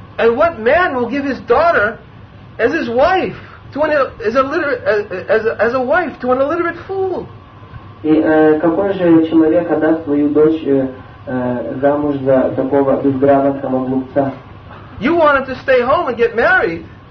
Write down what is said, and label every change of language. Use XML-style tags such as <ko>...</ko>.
<en>And what man will give his daughter as his wife to an wife to an illiterate fool?</en> <ru>И какой же человек отдаст свою дочь замуж за такого безграмотного глупца?</ru> <en>You wanted to stay home and get married.</en>